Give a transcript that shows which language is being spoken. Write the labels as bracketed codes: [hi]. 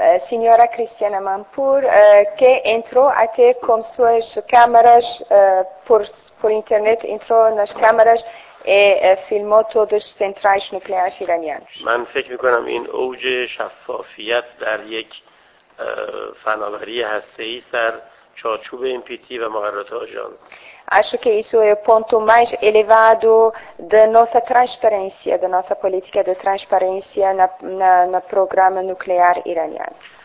[pt] Senhora Cristiana Mampur, que entrou até com suas câmaras por internet, entrou nas câmaras e filmou todas as centrais nucleares iranianas. [fa] من فکر می‌کنم این اوج شفافیت در یک فناوری هسته‌ای سر چارچوب NPT و مقررات آژانس. [pt] Acho que isso é o ponto mais elevado da nossa transparência, da nossa política de transparência no programa nuclear iraniano.